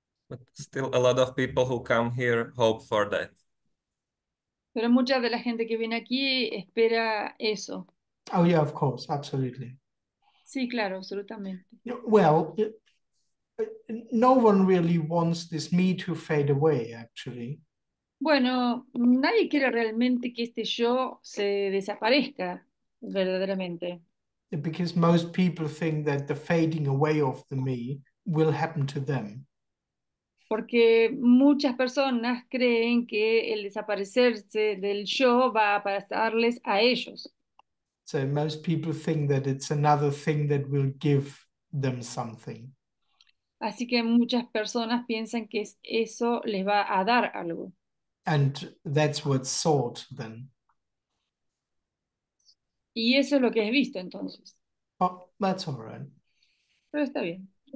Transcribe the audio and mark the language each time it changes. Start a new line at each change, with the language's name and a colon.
English: But still a lot of people who come here hope for that.
Spanish: Pero mucha de la gente que viene aquí espera eso.
English: Oh yeah, of course, absolutely.
Spanish: Sí, claro, absolutamente.
English: Well, no one really wants this me to fade away, actually.
Spanish: Bueno, nadie quiere realmente que este yo se desaparezca verdaderamente.
English: Because most people think that the fading away of the me will happen to them.
Spanish: Porque muchas personas creen que el desaparecerse del yo va a pasarles a ellos.
English: So most people think that it's another thing that will give them something.
Spanish: Así que muchas personas piensan que eso les va a dar algo.
English: And that's what's sought then.
Spanish: Y eso es lo que he visto entonces.
English: Oh, that's all right.
Spanish: Pero está bien.